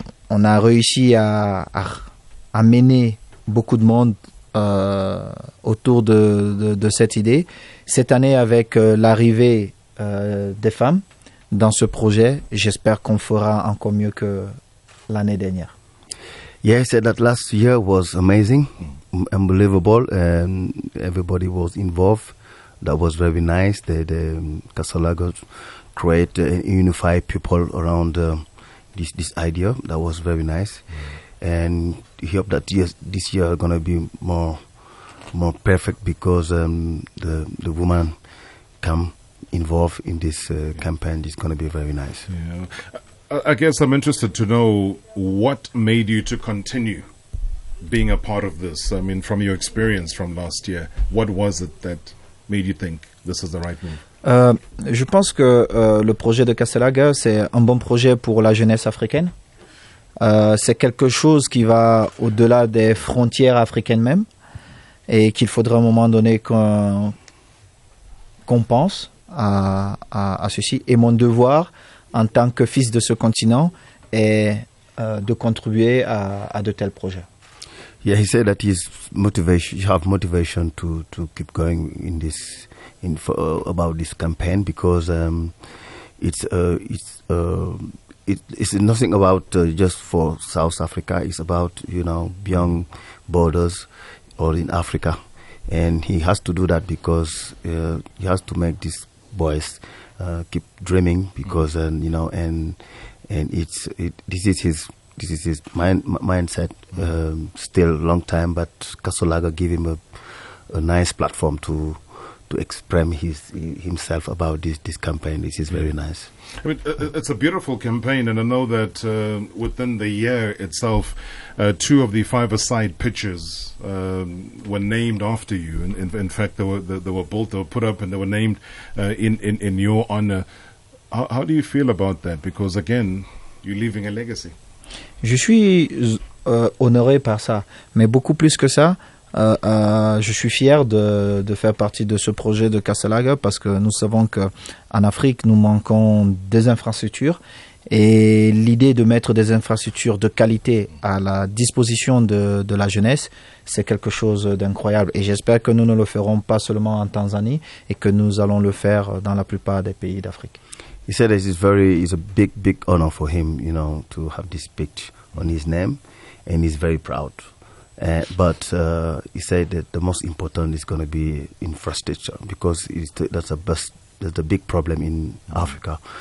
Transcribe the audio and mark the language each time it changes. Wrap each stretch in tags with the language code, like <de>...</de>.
<fr>On a réussi à mener beaucoup de monde autour de cette idée. Cette année, avec l'arrivée des femmes dans ce projet, j'espère qu'on fera encore mieux que l'année dernière.</fr> <en>Yeah, he said that last year was amazing, unbelievable, and everybody was involved. That was very nice. The Castle Lager create unify people around this idea. That was very nice, and he hope that this year gonna be more perfect because the woman come involved in this campaign. It's gonna be very nice. Yeah. I guess I'm interested to know what made you to continue being a part of this. I mean, from your experience from last year, what was it that made you think this is the right move?</en> <fr>Je pense que le projet de Castle Lager, c'est un bon projet pour la jeunesse africaine. C'est quelque chose qui va au-delà des frontières africaines même et qu'il faudra à un moment donné qu'on pense à ceci. Et mon devoir... en tant que fils de ce continent, et de contribuer à de tels projets.</fr> <en>Yeah, he said that he's motivation. He have motivation to keep going in this in for, about this campaign because it's nothing about just for South Africa. It's about beyond borders or in Africa, and he has to do that because he has to make these boys. Keep dreaming because this is his mindset still a long time, but Castle Lager give him a nice platform to express himself about this campaign. This is very nice. I mean, it's a beautiful campaign, and I know that within the year itself, two of the five-a-side pitches were named after you. In fact, they were put up and they were named in your honor. How do you feel about that? Because again, you're leaving a legacy.</en> <fr>Je suis honoré par ça, mais beaucoup plus que ça. Je suis fier de faire partie de ce projet de Castle Lager parce que nous savons qu'en Afrique, nous manquons des infrastructures et l'idée de mettre des infrastructures de qualité à la disposition de la jeunesse, c'est quelque chose d'incroyable et j'espère que nous ne le ferons pas seulement en Tanzanie et que nous allons le faire dans la plupart des pays d'Afrique.</fr> <en>He said it's very, it's a big, big honor for him, to have this pitch on his name and he's very proud. But he said that the most important is going to be infrastructure because that's the big problem in Africa.</en>